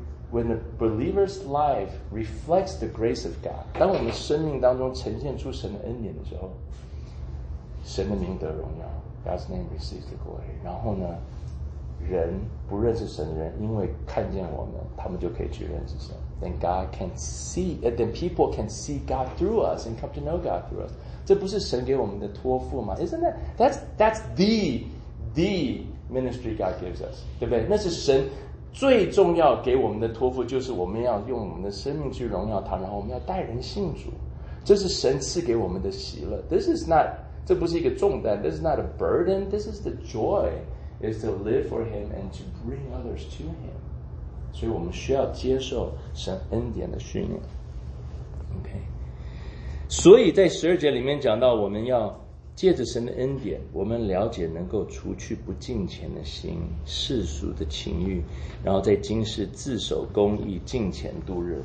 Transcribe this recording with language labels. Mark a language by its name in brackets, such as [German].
[English] When the believer's life reflects the grace of God， [Chinese] 当我们生命当中呈现出神的恩典的时候，神的名得荣耀 [English] ，God's name receives the glory。 [Chinese] 然后呢，人不认识神的人，因为看见我们，他们就可以去认识神。 [English] Then God can see, then people can see God through us and come to know God through us. [Chinese] 这不是神给我们的托付吗？ [English] Isn't that? That's the ministry God gives us. [Chinese] 对不对？那是神最重要给我们的托付，就是我们要用我们的生命去荣耀他，然后我们要带人信主。这是神赐给我们的喜乐。 [English] This is not, [Chinese] 这不是一个重担。 [English] This is not a burden. This is the joy, is to live for him and to bring others to him. [Chinese] 所以我们需要接受神恩典的训练。OK，所以在十二节里面讲到，我们要借着神的恩典，我们了解能够除去不敬虔的心、世俗的情欲，然后在今世自守公义、敬虔度日。